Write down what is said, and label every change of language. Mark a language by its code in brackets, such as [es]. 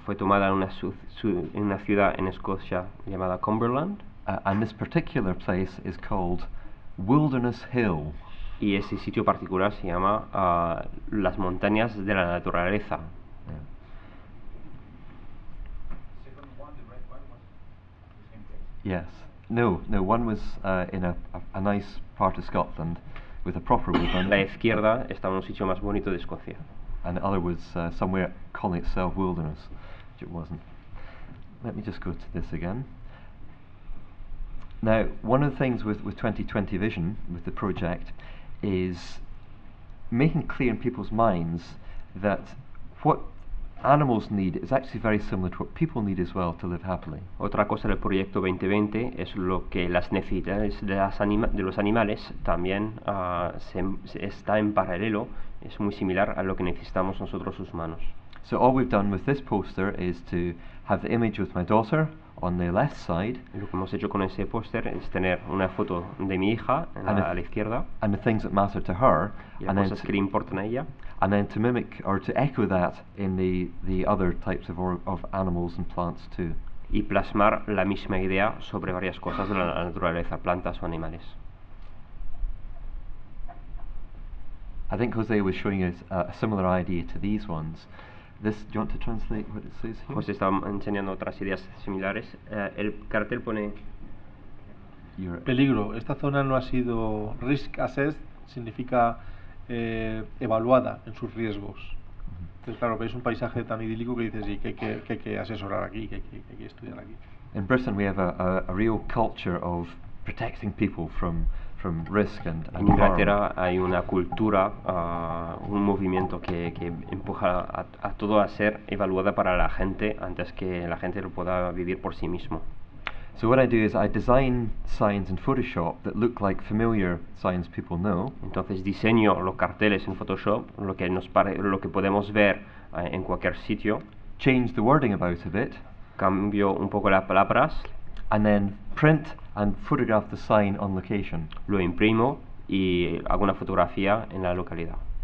[es] Fue tomada en una ciudad en Escocia llamada Cumberland. [en] And this particular place is called Wilderness Hill. [es] Y ese sitio particular se llama las montañas de la naturaleza. [en] Yes. No. One was in a nice part of Scotland, with a proper woodland. [es] La izquierda estaba en un sitio más bonito de Escocia. [en] And the other was somewhere calling itself wilderness, which it wasn't. Let me just go to this again. Now, one of the things with 2020 vision, with the project, is making clear in people's minds that what animals need is actually very similar to what people need as well to live happily. [es] Otra cosa del proyecto 2020 es lo que las necesidades de los animales también está en paralelo, es muy similar a lo que necesitamos nosotros los humanos. [en] So all we've done with this poster is to have the image with my daughter on the left side. [es] Lo que hemos hecho con ese póster es tener una foto de mi hija a la izquierda. [en] And the things that matter to her. [es] Y las cosas que le importan a ella. [en] And then to mimic or to echo that in the other types of animals and plants too. [es] Y plasmar la misma idea sobre varias cosas de la naturaleza, plantas o animales. [en] I think José was showing us a similar idea to these ones. This, do you want to translate what it says here? [es] José estaba enseñando otras ideas similares. El cartel pone peligro. Esta zona no ha sido [en] risk assessed, [es] significa evaluada en sus riesgos. Entonces, claro, veis un paisaje tan idílico que dices, sí, que hay que asesorar aquí, que hay que estudiar aquí. [en] In Britain we have a real culture of protecting people from risk and [es] en Inglaterra hay una cultura, un movimiento que empuja a todo a ser evaluada para la gente antes que la gente lo pueda vivir por sí mismo. [en] So what I do is I design signs in Photoshop that look like familiar signs people know. [es] Entonces diseño los carteles en Photoshop, lo que podemos ver en cualquier sitio. [en] Change the wording about a bit. [es] Cambio un poco las palabras. [en] And then print and photograph the sign on location. [es] Lo imprimo y hago una fotografía en la localidad.